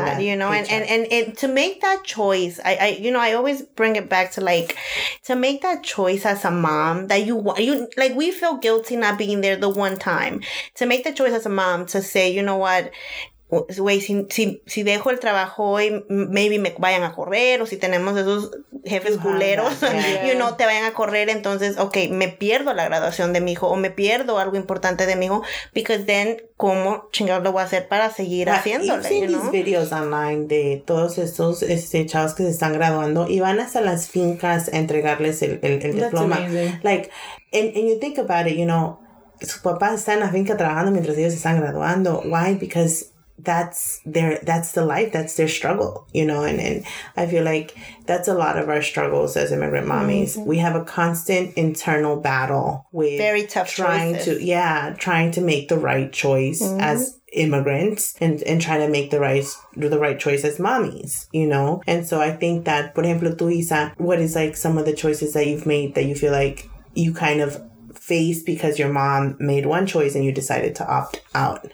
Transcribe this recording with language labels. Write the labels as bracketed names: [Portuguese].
[English] And to make that choice, I always bring it back to to make that choice as a mom that you we feel guilty not being there the one time. To make the choice as a mom to say, you know what, wait, [Spanish] si dejo el trabajo hoy, maybe me vayan a correr, o si tenemos esos jefes culeros, te vayan a correr, entonces, okay, me pierdo la graduación de mi hijo, o me pierdo algo importante de mi hijo, [English] because then, [Spanish] ¿cómo chingado lo voy a hacer para seguir haciéndole? [English] You've seen these videos online [Spanish] de todos estos chavos que se están graduando, y van hasta las fincas a entregarles el diploma. [English] That's amazing. And you think about it, [Spanish] sus papás están en la finca trabajando mientras ellos están graduando. [English] Why? Because that's the life, that's their struggle, and I feel like that's a lot of our struggles as immigrant mommies. Mm-hmm. We have a constant internal battle with very tough trying choices. Trying to make the right choice as immigrants and trying to make the right choice as mommies, and so I think that, [Spanish] por ejemplo, tú, [English] Isa, what is like some of the choices that you've made that you feel like you kind of face because your mom made one choice and you decided to opt out?